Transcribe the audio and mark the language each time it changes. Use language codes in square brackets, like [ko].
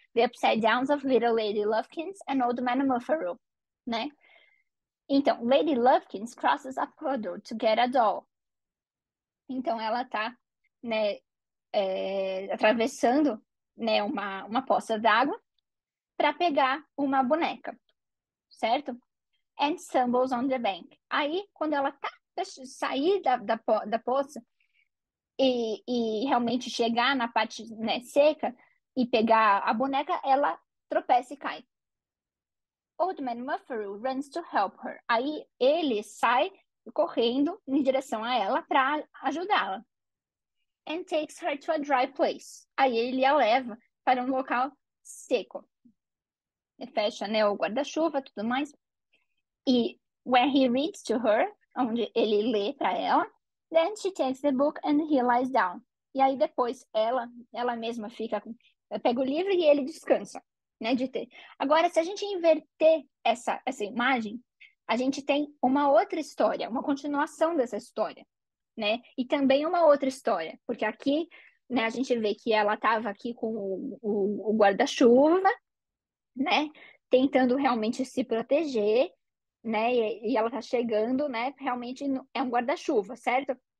[en] The Upside Downs of Little Lady Lufkins and Old Man Muffaroo, né? Então, Lady Lufkins crosses a puddle to get a doll. [pt] Então, ela tá, né, atravessando, né, uma poça d'água para pegar uma boneca. Certo? [en] "And stumbles on the bank." [pt] Aí, quando ela tá pra sair da poça, e realmente chegar na parte, né, seca e pegar a boneca, ela tropeça e cai. [en] Old Man Muffaroo runs to help her. [pt] Aí ele sai correndo em direção a ela para ajudá-la. [en] And takes her to a dry place. [pt] Aí ele a leva para um local seco. Ele fecha, né, o guarda-chuva, tudo mais. E [en] where he reads to her, [pt] onde ele lê para ela. [en] Then she takes the book and he lies down. [pt] E aí depois ela mesma fica com, pega o livro e ele descansa. Né, de ter. Agora, se a gente inverter essa imagem, a gente tem uma outra história, uma continuação dessa história, né? E também uma outra história, porque aqui, né, a gente vê que ela estava aqui com o guarda-chuva, né, tentando realmente se proteger, né, e ela está chegando, né, realmente é um guarda-chuva, certo?